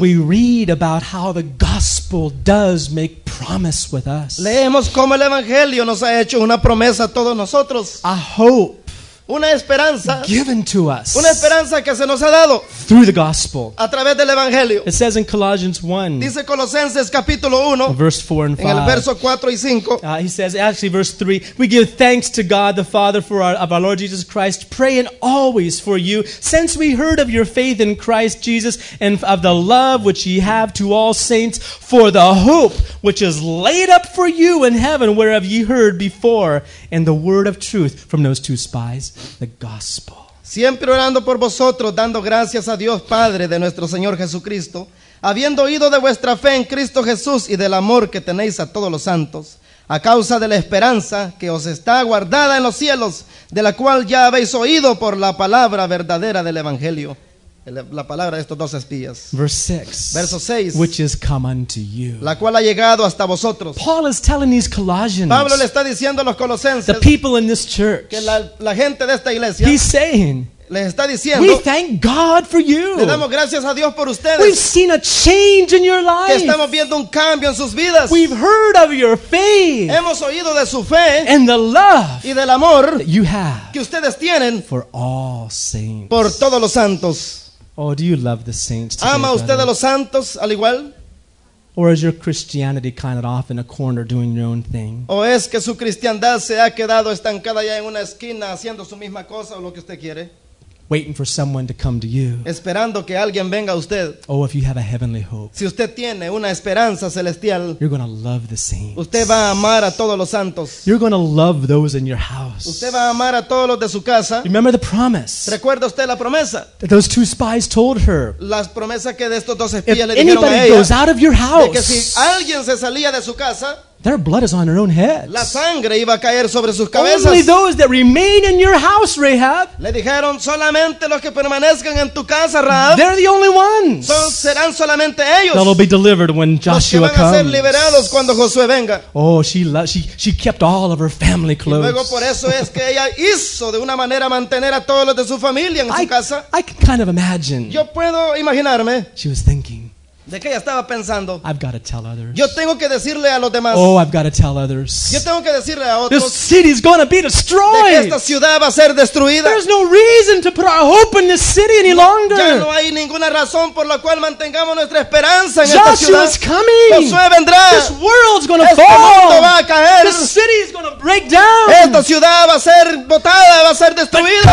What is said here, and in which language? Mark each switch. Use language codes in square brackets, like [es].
[en] We read about how the gospel does make promise with us. [es] Leemos cómo el evangelio nos ha hecho una promesa a todos nosotros. [en] A hope. [es] Una esperanza [en] given to us, [es] una esperanza que se nos ha dado [en] through the gospel, [es] a través del evangelio. [en] It says in Colossians 1, [es] dice Colosenses capítulo 1, [en] verse 4 and 5, [es] en el verso 4 y 5, [en] he says, actually verse 3, we give thanks to God the Father of our Lord Jesus Christ, praying always for you, since we heard of your faith in Christ Jesus and of the love which ye have to all saints, for the hope which is laid up for you in heaven, whereof ye heard before in the word of truth from those two spies, the gospel. [es] Siempre orando por vosotros, dando gracias a Dios Padre de nuestro Señor Jesucristo, habiendo oído de vuestra fe en Cristo Jesús y del amor que tenéis a todos los santos, a causa de la esperanza que os está guardada en los cielos, de la cual ya habéis oído por la palabra verdadera del evangelio. La palabra de estos dos espías. [en] Verse 6, which is come unto you. [es] La cual ha llegado hasta vosotros. [en] Paul is telling these Colossians. [es] Pablo le está diciendo a los Colosenses. [en] The people in this church. [es] Que la gente de esta iglesia. [en] He's saying. [es] Les está diciendo. [en] We thank God for you. [es] Le damos gracias a Dios por ustedes. [en] We've seen a change in your life. [es] Que estamos viendo un cambio en sus vidas. [en] We've heard of your faith. [es] Hemos oído de su fe. [en] And the love. [es] Y del amor. [en] That you have. [es] Que ustedes tienen. [en] For all saints. [es] Por todos los santos. [en] Oh, do you love the saints? Today, [es] ama usted [en] brother? [es] A los santos al igual? [en] Or is your Christianity kind of off in a corner doing your own thing? [es] O es que su cristiandad se ha quedado estancada ya en una esquina haciendo su misma cosa o lo que usted quiere? [en] Waiting for someone to come to you. [es] Esperando que alguien venga a usted. [en] Oh, if you have a heavenly hope. [es] Si usted tiene una esperanza celestial. [en] You're going to love the saints. [es] Usted va a amar a todos los santos. [en] You're going to love those in your house. [es] Usted va a amar a todos los de su casa. [en] Remember the promise. [es] ¿Recuerda usted la promesa? [en] That those two spies told her. [es] Las promesas que de estos dos espías le dijeron a ella. [en] If anybody goes out of your house. [es] De que si alguien se salía de su casa. [en] Their blood is on their own heads. [es] La sangre iba a caer sobre sus cabezas. [en] Only those that remain in your house, Rahab. [es] Le dijeron solamente los que permanezcan en tu casa, Rahab. [en] They're the only ones. [es] Son serán solamente ellos. [en] That will be delivered when Joshua comes. [es] Ser liberados cuando Josué venga. [en] Oh, she kept all of her family close. [es] Luego por eso es que ella hizo de una manera mantener a todos los de su familia en su casa. [en] I can kind of imagine. [es] Yo puedo imaginarme. [en] She was thinking. [es] De que ella estaba pensando. [en] I've got to tell others. [es] Yo tengo que decirle a los demás. [en] Oh, I've got to tell others. [es] Yo tengo que decirle a otros. [en] This city is going to be destroyed. [es] De que esta ciudad va a ser destruida. [en] There's no reason to put our hope in this city any longer. [es] Ya no hay ninguna razón por la cual mantengamos nuestra esperanza en [en] Joshua [es] esta ciudad. [en] Is coming. [es] Josué vendrá. [en] This world's going to [es] este [en] fall. [es] Este mundo va a caer. [en] This city is going to break down. [es] Esta ciudad va a ser botada, va a ser destruida.